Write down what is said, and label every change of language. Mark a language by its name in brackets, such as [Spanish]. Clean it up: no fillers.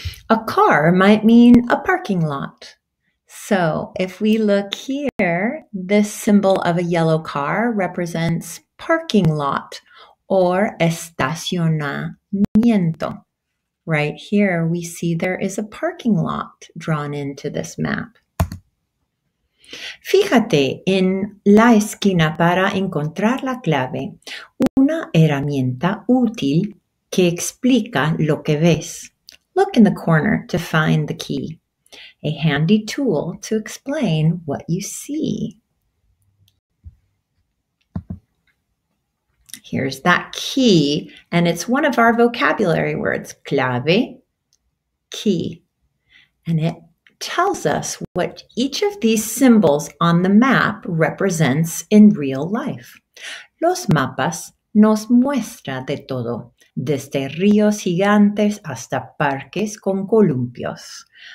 [English] A car might mean a parking lot. So if we look here, this symbol of a yellow car represents parking lot or estacionamiento. Right here, we see there is a parking lot drawn into this map. [Spanish] Fíjate en la esquina para encontrar la clave. Una herramienta útil que explica lo que ves. [English] Look in the corner to find the key. A handy tool to explain what you see. Here's that key, and it's one of our vocabulary words, clave, key. And it tells us what each of these symbols on the map represents in real life. [Spanish] Los mapas nos muestra de todo, desde ríos gigantes hasta parques con columpios.